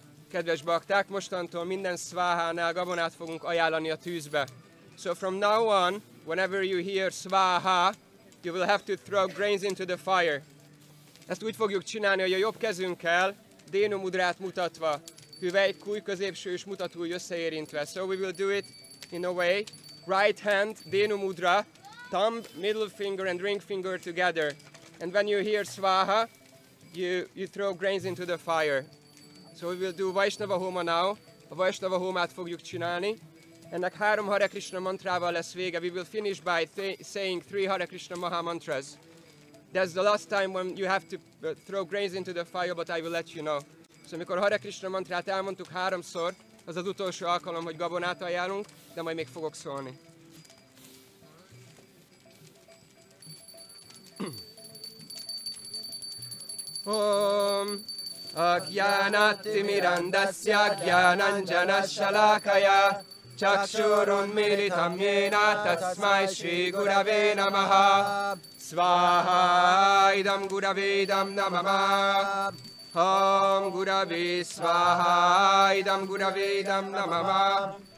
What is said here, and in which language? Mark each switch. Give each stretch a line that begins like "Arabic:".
Hungarian: Kedves bakták, mostantól minden szváhánál gabonát fogunk ajánlani a tűzbe.
English: So from now on, whenever you hear svaha, you will have to throw grains into the fire.
Hungarian: Ezt úgy fogjuk csinálni, hogy a jobb kezünkkel, Dénu mudrát mutatva, hüvely, kúj, középső és mutató ujj összeérintve.
English: So we will do it in a way, right hand, Dénu mudra, thumb, middle finger and ring finger together. And when you hear svaha, you throw grains into the fire. So we will do Vaiṣṇava Homa now.
Hungarian: A Vaiṣṇava Homát fogjuk csinálni. Ennek három Hare Krishna mantrával lesz vége.
English: We will finish by saying three Hare Krishna Maha mantras. That's the last time when you have to throw grains into the fire, but I will let you know.
Hungarian: So amikor Hare Krishna mantrát elmondtuk háromszor, az az utolsó alkalom, hogy gabonát ajánlunk, de majd még fogok szólni.
Sanskrit: Om Agyanati Mirandasya Gyananjana Shalakaya Chakshurun Militam Yena Tasmai Shri Gurave Namaha Svaha Idam Gurave Idam Namama Om Gurave Svaha Idam Gurave Idam Namama